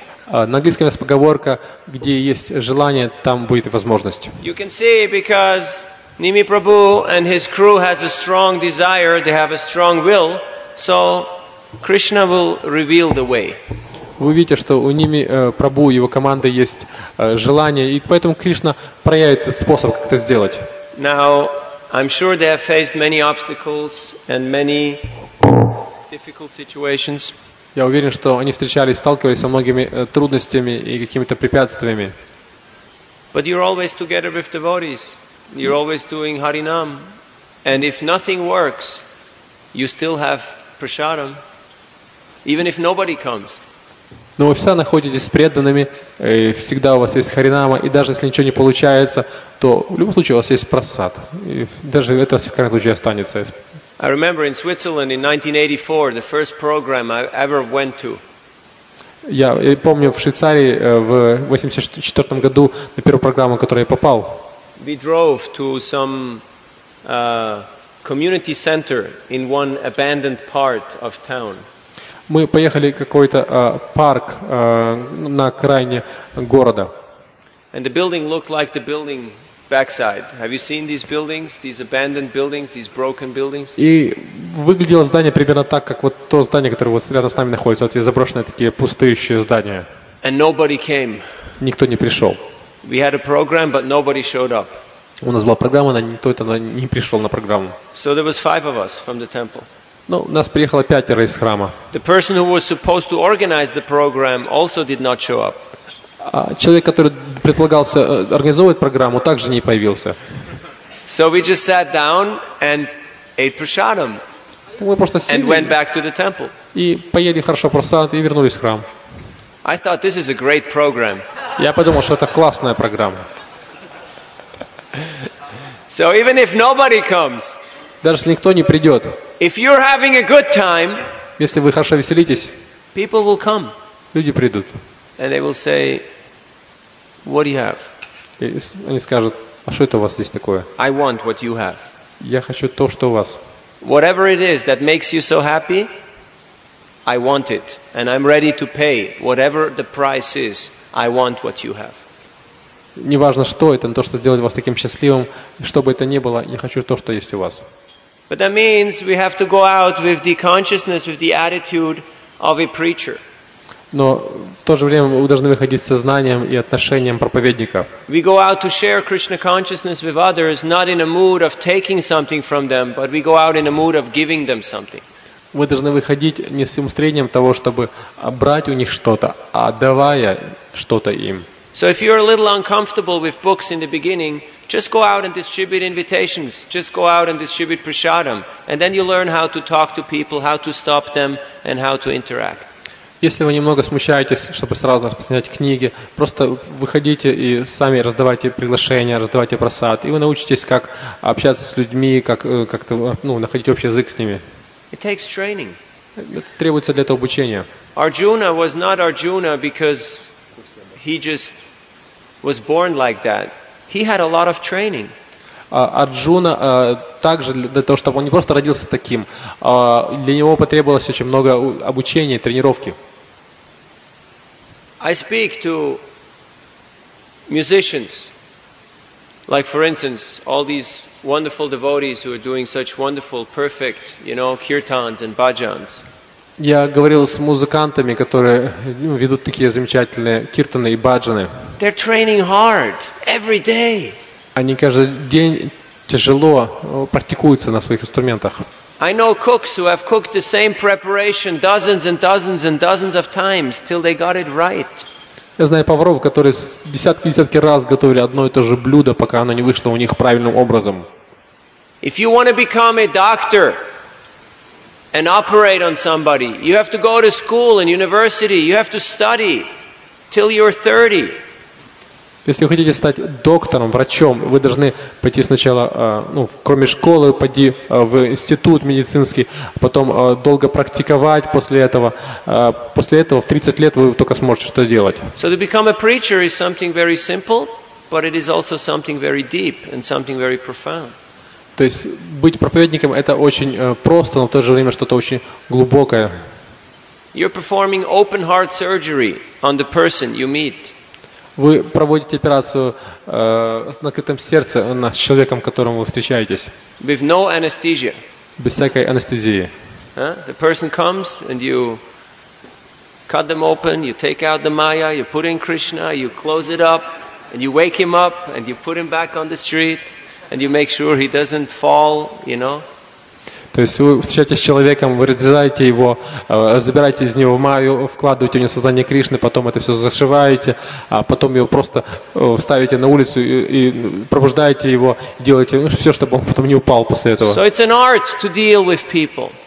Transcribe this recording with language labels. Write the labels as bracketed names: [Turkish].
[Russian] На английском есть поговорка, где есть желание, там будет возможность. [English] You can see because Nimi Prabhu and his crew has a strong desire, they have a strong will. So Krishna will reveal the way. [Russian] Вы видите, что у Ними Прабху и его команды есть желание, и поэтому Кришна проявит способ, как это сделать. [English] Now I'm sure they have faced many obstacles and many difficult situations. [Russian] Я уверен, что они встречались, сталкивались со многими трудностями и какими-то препятствиями. [English] But you're always together with devotees. You're always doing Harinam, and if nothing works, you still have Prasadam, even if nobody comes. [Russian] Но вы всегда находитесь с преданными, всегда у вас есть харинама, и даже если ничего не получается, то в любом случае у вас есть прасад. И даже это в крайнем случае останется. [English] I remember in Switzerland in 1984, the first program I ever went to. [Russian] Я помню в Швейцарии в 1984 году на первую программу, в которую я попал. [English] We drove to some community center in one abandoned part of town. [Russian] Мы поехали в какой-то парк на окраине города. [English] And the building looked like the building backside. Have you seen these buildings, these abandoned buildings, these broken buildings? [Russian] И выглядело здание примерно так, как вот то здание, которое вот рядом с нами находится, вот эти заброшенные такие пустующие здания. [English] And nobody came. [Russian] Никто не пришел. [English] We had a program, but nobody showed up. [Russian] У нас была программа, но никто не пришел на программу. [English] So there was five of us from the temple. [Russian] Ну, нас приехало пятеро из храма. [English] The person who was supposed to organize the program also did not show up. [Russian] Человек, который предполагался организовывать программу, также не появился. [English] So we just sat down and ate prasadam. [Russian] Мы просто сели. [English] And went back to the temple. [Russian] И поели хорошо просад и вернулись в храм. [English] I thought this is a great program. [Russian] Я подумал, что это классная программа. [English] So even if nobody comes. [Russian] Даже если никто не придет. [English] If you're having a good time, [Russian] если вы хорошо веселитесь, [English] people will come. [Russian] Люди придут. [English] And they will say, "What do you have?" [Russian] Они скажут, а что это у вас здесь такое? [English] I want what you have. [Russian] Я хочу то, что у вас. [English] Whatever it is that makes you so happy, I want it, and I'm ready to pay whatever the price is. I want what you have. [Russian] Неважно, что это, то, что сделает вас таким счастливым, чтобы это не было, я хочу то, что есть у вас. [English] But that means we have to go out with the consciousness, with the attitude of a preacher. [Russian] Но в то же время вы должны выходить со знанием и отношением проповедника. [English] We go out to share Krishna consciousness with others, not in a mood of taking something from them, but we go out in a mood of giving them something. [Russian] Вы должны выходить не с устремлением того, чтобы брать у них что-то, а давая что-то им. [English] So if you're a little uncomfortable with books in the beginning, just go out and distribute invitations. Just go out and distribute prasadam. And then you learn how to talk to people, how to stop them, and how to interact. [Russian] Если вы немного смущаетесь, чтобы сразу распространять книги, просто выходите и сами раздавайте приглашения, раздавайте просад, и вы научитесь, как общаться с людьми, как-то ну, находить общий язык с ними. [English] It takes training. [Russian] Это требуется для этого обучение. [English] Arjuna was not Arjuna because he just was born like that. He had a lot of training. [Russian] Арджуна также для того, чтобы он не просто родился таким, для него потребовалось очень много обучения, тренировки. [English] I speak to musicians, like for instance, all these wonderful devotees who are doing such wonderful, perfect, you know, kirtans and bhajans. [Russian] Я говорил с музыкантами, которые ведут такие замечательные киртаны и бхаджаны. [English] They're training hard every day. [Russian] Они каждый день тяжело практикуются на своих инструментах. [English] I know cooks who have cooked the same preparation dozens and dozens and dozens of times till they got it right. [Russian] Я знаю поваров, которые десятки раз готовили одно и то же блюдо, пока оно не вышло у них правильным образом. [English] If you want to become a doctor and operate on somebody, you have to go to school and university, you have to study till you're 30. [Russian] Если вы хотите стать доктором, врачом, вы должны пойти сначала, ну, кроме школы, пойти в институт медицинский, потом долго практиковать после этого. После этого в 30 лет вы только сможете что делать. [English] So to become a preacher is something very simple, but it is also something very deep and something very profound. [Russian] То есть быть проповедником – это очень просто, но в то же время что-то очень глубокое. [English] You're performing open heart surgery on the person you meet. [Russian] Вы проводите операцию с открытым сердцем на человеком, которым вы встречаетесь. [English] With no anesthesia. [Russian] Без всякой анестезии. [English] The person comes and you cut them open, you take out the maya, you put in Krishna, you close it up, and you wake him up, and you put him back on the street, and you make sure he doesn't fall, you know. [Russian] То есть вы встречаетесь с человеком, вы разрезаете его, забираете из него майю, вкладываете в него сознание Кришны, потом это все зашиваете, а потом его просто ставите на улицу и пробуждаете его, делаете все, чтобы он потом не упал после этого. [English] So it's an art to deal with people.